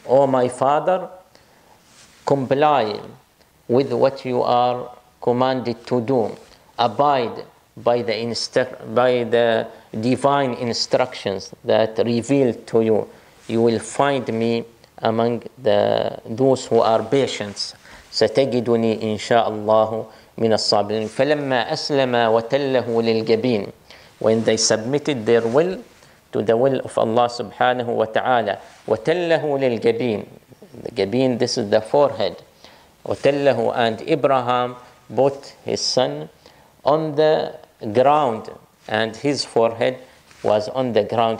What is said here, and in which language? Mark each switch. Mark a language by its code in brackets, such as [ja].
[en] Oh my father, comply with what you are commanded to do. Abide by the divine instructions that revealed to you. You will find me among those who are patients. [ar] ستجدني إن شاء الله من الصابرين. فلما أسلم وتله للجبين. [en] When they submitted their will to the will of Allah subhanahu wa ta'ala. [ar] وتله للجبين. [en] The Gabin, this is the forehead. Otellahu, and Abraham put his son on the ground, and his forehead was on the ground.